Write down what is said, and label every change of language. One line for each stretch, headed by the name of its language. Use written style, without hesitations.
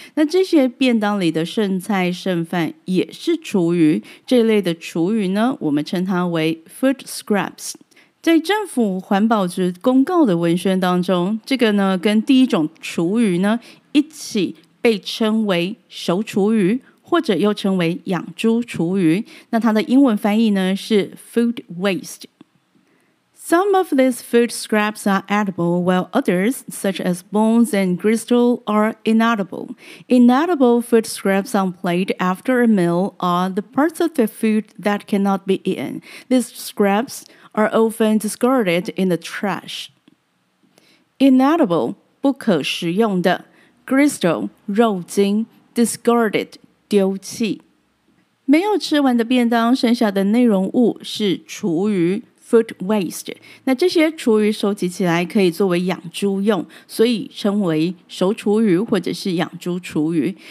Chinese: 那这些便当里的剩菜剩饭也是厨余，这类的厨余呢，我们称它为 food scraps。在政府环保局公告的文宣当中，这个呢跟第一种厨余呢一起被称为熟厨余，或者又称为养猪厨余。那它的英文翻译呢是 food waste。
English: Some of these food scraps are edible, while others, such as bones and gristle, are inedible. Inedible food scraps on plate after a meal are the parts of the food that cannot be eaten. These scraps are often discarded in the trash.
Chinese: Inedible, 不可食用的 gristle, 肉精 discarded, 丢弃。没有吃完的便当剩下的内容物是厨余food waste， 那这些厨余收集起来可以作为养猪用，所以称为熟厨余或者是养猪厨余。